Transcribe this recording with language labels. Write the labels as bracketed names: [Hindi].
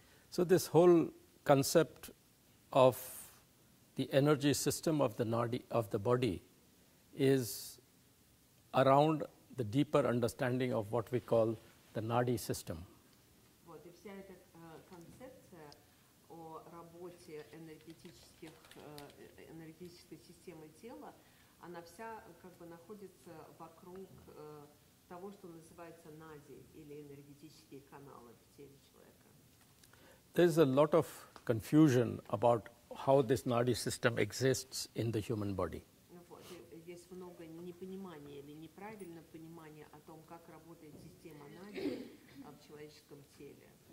[English] So this whole concept of the energy system of the nadi, of the body, is around the deeper understanding of what we call the nadi system. [Russian] Вот, и вся эта концепция о работе энергетической системы тела, она вся как бы находится вокруг того, что называется нади, или энергетические каналы в теле человека. [English] There's a lot of confusion about how this nadi system exists in the human body. [Russian] Вот, и есть много непонимания или неправильного понимания о том, как работает система нади в человеческом теле.